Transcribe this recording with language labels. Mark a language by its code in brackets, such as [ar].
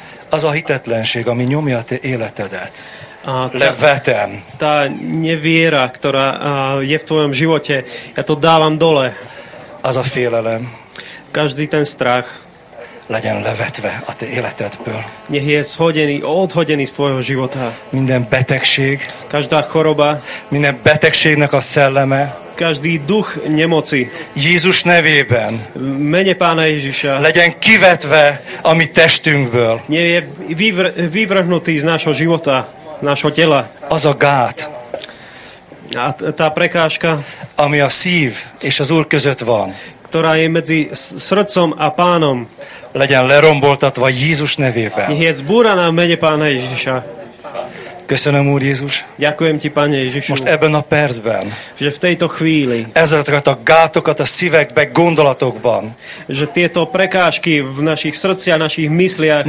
[hu] Az a hitetlenség, ami nyomja a te életedet. Levetem. [sk] Tá neviera, ktorá je v tvojom živote, ja to dávam dole. [hu] Az a félelem. [sk] Každý ten strach. [hu] Legyen levetve a te életedből. [sk] Nech je zhodený, odhodený z tvojho života. [hu] Minden betegség. [sk] Každá choroba. [hu] Minden betegségnek a szelleme. [sk] Každý duch nemoci. [hu] Jézus nevében. [sk] Mene Pána Ježiša. [hu] Legyen kivetve a mi testünkből. [sk] Nech je vyvrhnutý z nášho života, nášho tela. [hu] Az a gát. [sk] A tá prekážka, [hu] ami a szív és az Úr között van, [sk] ktorá je medzi srdcom a Pánom, [hu] legyen leromboltatva Jézus nevében. [sk] Nech je zbúraná v mene Pána Ježiša. [hu] Köszönöm, Úr Jézus. [sk] Ďakujem ti, Pane Ježišu. [hu] Most ebben a percben. [sk] Že v tejto chvíli. [hu] Ezeket a gátokat a szívekbe, gondolatokban. [sk] Že tieto prekážky v našich srdciach, našich mysliach.